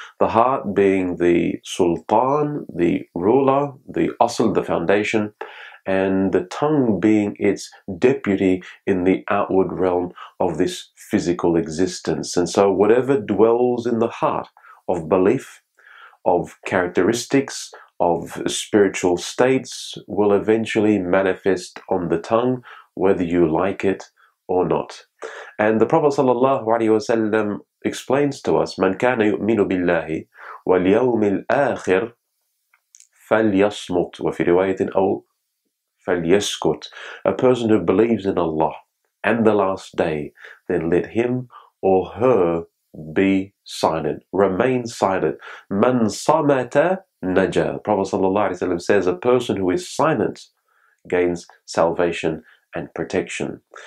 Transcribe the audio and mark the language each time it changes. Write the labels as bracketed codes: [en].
[en] The heart being the sultan, the ruler, the asl, the foundation, and the tongue being its deputy in the outward realm of this physical existence. And so whatever dwells in the heart of belief, of characteristics, of spiritual states will eventually manifest on the tongue, whether you like it or not. And the Prophet sallallahu alaihi wasallam explains to us, [ar] من كان يؤمن بالله واليوم الآخر فليصمت وفي رواية أو فليسكت. [en] A person who believes in Allah and the last day, then let him or her be silent, remain silent. [ar] من صمت نجا. [en] Prophet sallallahu alaihi wasallam says, a person who is silent gains salvation and protection.